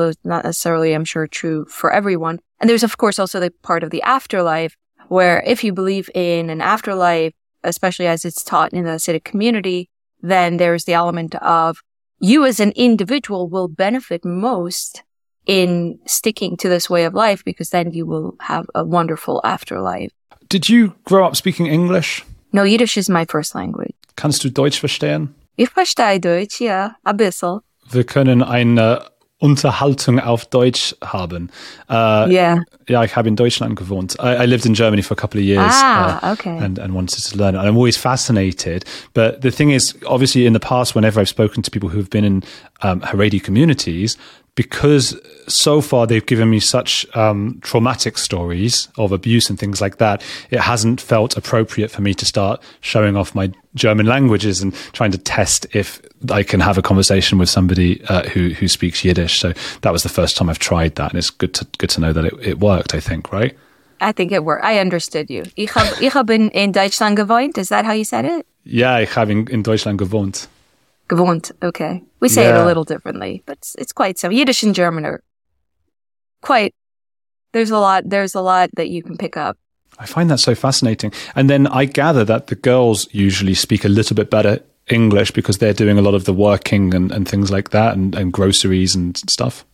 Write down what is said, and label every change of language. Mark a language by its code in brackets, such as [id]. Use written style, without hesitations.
[en] It's not necessarily, I'm sure, true for everyone. And there's, of course, also the part of the afterlife, where if you believe in an afterlife, especially as it's taught in the Hasidic community, then there's the element of you as an individual will benefit most in sticking to this way of life because then you will have a wonderful afterlife. Did you grow up speaking English? No, Yiddish is my first language. [de] Kannst du Deutsch verstehen? Ich verstehe Deutsch, ja, ein bisschen. Wir können eine Unterhaltung auf Deutsch haben. [en] Yeah, [de] ich habe in Deutschland gewohnt. [en] I lived in Germany for a couple of years. And wanted to learn. And I'm always fascinated. But the thing is, obviously, in the past, whenever I've spoken to people who've been in Haredi communities, because so far they've given me such traumatic stories of abuse and things like that, it hasn't felt appropriate for me to start showing off my German languages and trying to test if I can have a conversation with somebody who speaks Yiddish. So that was the first time I've tried that. And it's good to know that it worked, I think, right? I think it worked. I understood you. [de] Ich hab in Deutschland gewohnt. [en] Is that how you said it? Yeah, [de] ich habe in Deutschland gewohnt. Gewohnt, okay. [en] We say it a little differently, but it's quite so. Yiddish and German are quite, there's a lot that you can pick up. I find that so fascinating. And then I gather that the girls usually speak a little bit better English because they're doing a lot of the working and things like that and groceries and stuff.